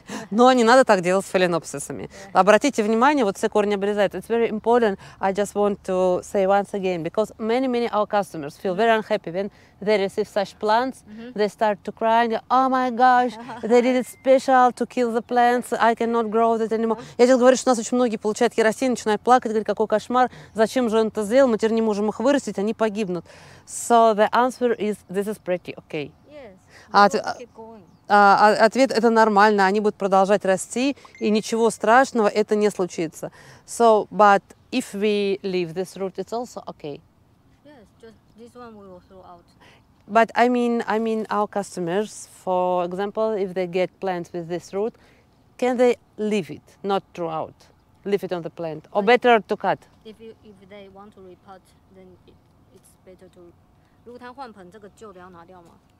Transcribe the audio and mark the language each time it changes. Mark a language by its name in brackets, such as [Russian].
[Russian] Но не надо так делать с фаленопсисами. [English] Yeah. [Russian] Обратите внимание, вот все корни обрезают. [English] It's very important. I just want to say once again, because many our customers feel very unhappy when they receive such plants. Mm-hmm. They start to cry. Oh my gosh, they did it special to kill the plants. I cannot grow that anymore. [Russian] Mm-hmm. Я тебе говорю, что у нас очень многие получают керосин, начинают плакать, говорят, какой кошмар, зачем же он это сделал, мы теперь не можем их вырастить, они погибнут. [English] So the answer is, this is pretty okay. Yes, keep going. [Russian] Ответ – это нормально, они будут продолжать расти, и ничего страшного, это не случится. [English] So, but if we leave this root, it's also okay. Yes, just this one we will throw out. But I mean our customers, for example, if they get plants with this root, can they leave it, not throw out, leave it on the plant, or better to cut? If they want to repot, then it's better to. [Chinese] 如果他换盆，这个旧的要拿掉吗？